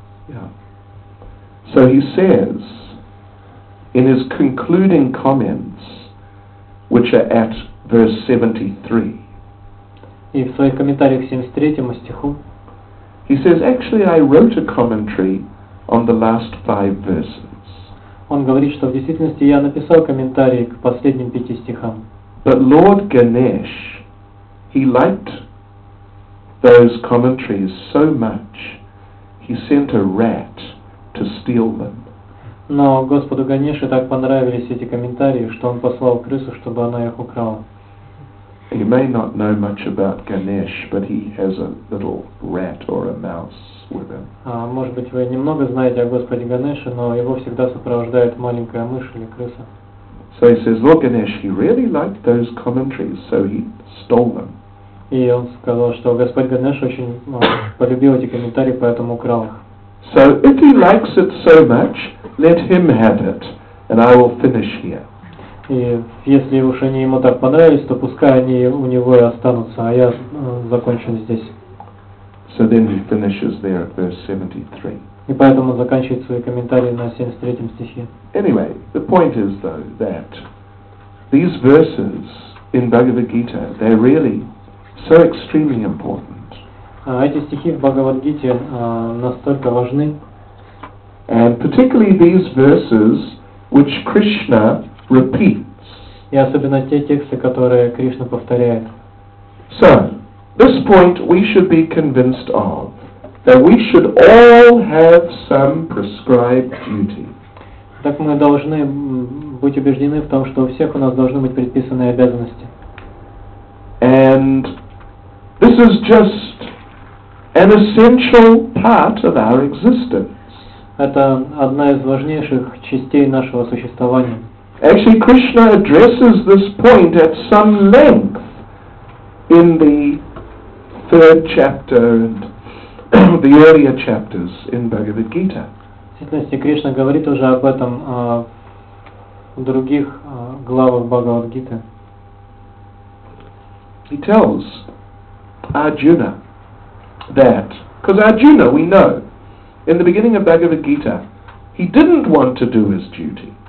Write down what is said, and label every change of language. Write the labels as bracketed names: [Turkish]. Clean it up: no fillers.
[English] Yeah. So he says in his concluding comments, which are at verse 73. [Russian] И в своих комментариях к 73-му стиху. [English] He says, actually, I wrote a commentary on the last five verses. [Russian] Он говорит, что в действительности я написал комментарий к последним пяти стихам. [English] But Lord Ganesh, he liked those commentaries so much, he sent a rat to steal them. [Russian] Но Господу Ганеше так понравились эти комментарии, что он послал крысу, чтобы она их украла. [English] You may not know much about Ganesh, but he has a little rat or a mouse with him. [Russian] Может быть, вы немного знаете о Господе Ганеше, но его всегда сопровождает маленькая мышь или крыса. [English] So he says, Lord Ganesh, he really liked those commentaries, so he stole them. [Russian] И он сказал, что Господь Ганеш очень полюбил эти комментарии, поэтому украл их. [English] So if he likes it so much, let him have it, and I will finish here. [Russian] И если уж они ему так понравились, то пускай они у него и останутся, а я закончу здесь. [English] So then he finishes there at verse 73. [Russian] И поэтому он заканчивает свои комментарии на 73-м стихе. [English] Anyway, the point is though that these verses in Bhagavad Gita, they really so extremely important. [Russian] Эти стихи в Бхагавад-гите настолько важны. [English] And particularly these verses which Krishna repeats. [Russian] И особенно те тексты, которые Кришна повторяет. [English] So, this point we should be convinced of, that we should all have some prescribed duty. [Russian] Так мы должны быть убеждены в том, что у всех у нас должны быть предписанные обязанности. [English] And this is just an essential part of our existence. [Russian] Это одна из важнейших частей нашего существования. [English] Actually, Krishna addresses this point at some length in the third chapter and the earlier chapters in Bhagavad Gita. [Russian] В действительности, Кришна говорит уже об этом в других главах Бхагавад Гиты. [English] He tells Arjuna that, because Arjuna, we know, in the beginning of Bhagavad Gita, he didn't want to do his duty.